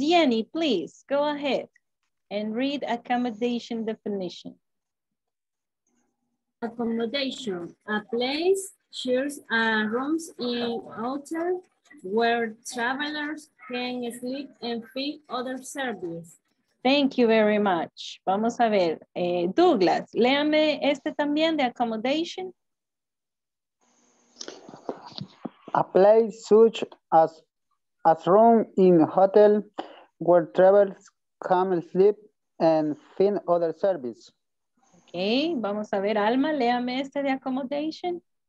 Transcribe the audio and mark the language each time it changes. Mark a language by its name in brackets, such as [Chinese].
[English] Jenny, please, go ahead and read accommodation definition. Accommodation, a place, shares rooms in hotel where travelers can sleep and pay other services. Thank you very much. [Spanish] Vamos a ver, Douglas, léame este también de accommodation. [English] A place such as room in hotel where travelers come and sleep and find other service. [Spanish] Okay, vamos a ver, Alma, léame este de accommodation.